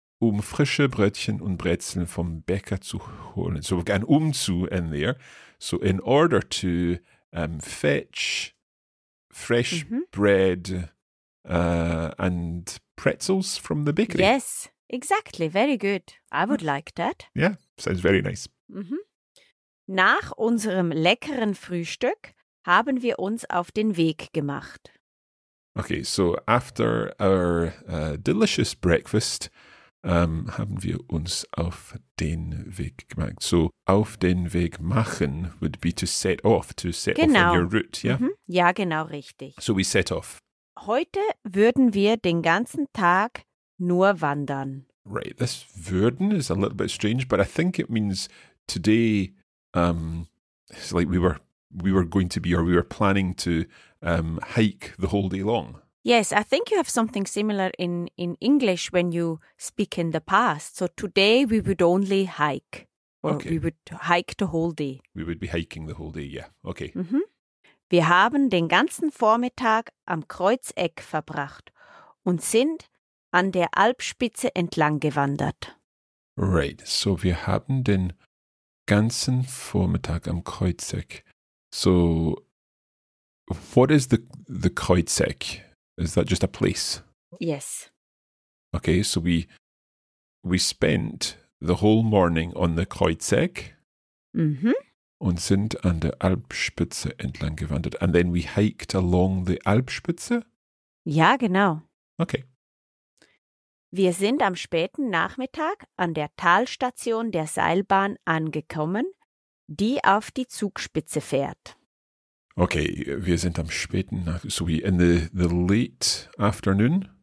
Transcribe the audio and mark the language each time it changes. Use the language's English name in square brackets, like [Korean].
[German] Um frische Brötchen und Brezeln vom Bäcker zu holen. [English] So we've got an zu in there. So in order to fetch fresh mm-hmm. bread and pretzels from the bakery. Yes, exactly. Very good. I would like that. Yeah, sounds very nice. Mm-hmm. [German] Nach unserem leckeren Frühstück haben wir uns auf den Weg gemacht. [English] Okay, so after our delicious breakfast... [German] haben wir uns auf den Weg gemacht. [English] So, [German] auf den Weg machen [English] would be to set [German] genau. [English] off on your route, yeah? [German] Mm-hmm. Ja, genau, richtig. [English] So, we set off. [German] Heute würden wir den ganzen Tag nur wandern. [English] Right, this würden is a little bit strange, but I think it means today, it's like we were going to be, or we were planning to hike the whole day long. Yes, I think you have something similar in English when you speak in the past. So today we would only hike. Or okay. We would hike the whole day. We would be hiking the whole day, yeah. Okay. Mm-hmm. [German] Wir haben den ganzen Vormittag am Kreuzeck verbracht und sind an der Alpspitze entlang gewandert. Right, so wir haben den ganzen Vormittag am Kreuzeck. [English] So what is the Kreuzeck? Is that just a place? Yes. Okay, so we spent the whole morning on the Kreuzeck. Mm-hmm. [German] Und sind an der Alpspitze entlang gewandert. [English] And then we hiked along the Alpspitze? [German] Ja, genau. [English] Okay. [German] Wir sind am späten Nachmittag an der Talstation der Seilbahn angekommen, die auf die Zugspitze fährt. Okay, wir sind am späten Nachmittag, [English] so in the late afternoon.